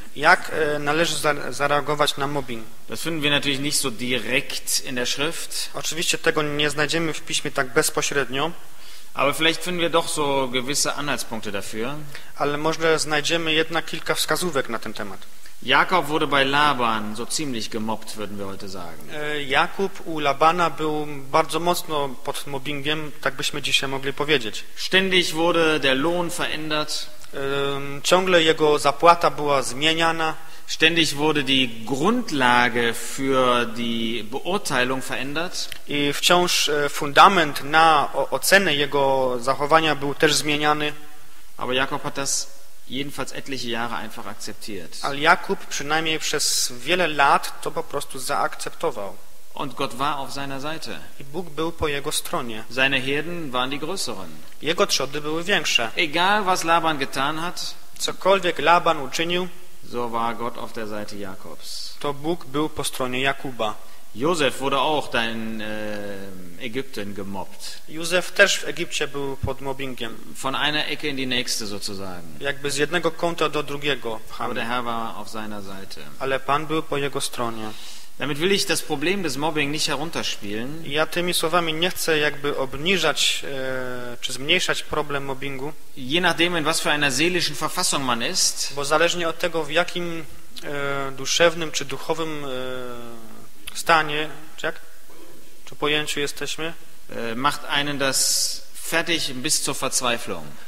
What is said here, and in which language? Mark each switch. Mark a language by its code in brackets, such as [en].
[pl] Jak należy zareagować na mobbing? [de] Das finden wir natürlich nicht so direkt in der Schrift. [pl] Oczywiście tego nie znajdziemy w piśmie tak bezpośrednio. [de] Aber vielleicht finden wir doch so gewisse Anhaltspunkte dafür. [pl] Ale może znajdziemy jednak kilka wskazówek na ten temat. [de] Jakob wurde bei Laban so ziemlich gemobbt, würden wir heute sagen. [pl] Jakub u Labana był bardzo mocno pod mobbingiem, tak byśmy dzisiaj mogli powiedzieć. [de] Ständig wurde der Lohn verändert. [pl] Ciągle jego zapłata była zmieniana. [de] Ständig wurde die Grundlage für die Beurteilung verändert. [pl] I wciąż fundament na ocenę jego zachowania był też zmieniany. [de] Aber Jakob hat das jedenfalls etliche Jahre einfach akzeptiert. [pl] Ale Jakub przynajmniej przez wiele lat to po prostu zaakceptował. [de] Und Gott war auf seiner Seite. [pl] I Bóg był po jego stronie. [de] Seine Herden waren die größeren. [pl] Jego trzody były większe. [de] Egal was Laban getan hat, [pl] cokolwiek Laban uczynił, [de] so war Gott auf der Seite Jakobs. [pl] To Bóg był po stronie Jakuba. [de] Józef wurde auch dein Ägypten gemobbt. [pl] Józef też w Egipcie był pod mobbingiem. [de] Von einer Ecke in die nächste sozusagen. [pl] Jakby z jednego kąta do drugiego. [de] Aber der Herr war auf seiner Seite. [pl] Ale Pan był po jego stronie. [de] Damit will ich das Problem des Mobbing nicht herunterspielen. [pl] Ja tymi słowami nie chcę jakby obniżać czy zmniejszać problem mobbingu. [de] Je nachdem, in was für einer seelischen Verfassung man ist. [pl] Bo zależnie od tego, w jakim duszewnym czy duchowym stanie, czy pojęciu jesteśmy, [de] macht einen das fertig bis zur Verzweiflung.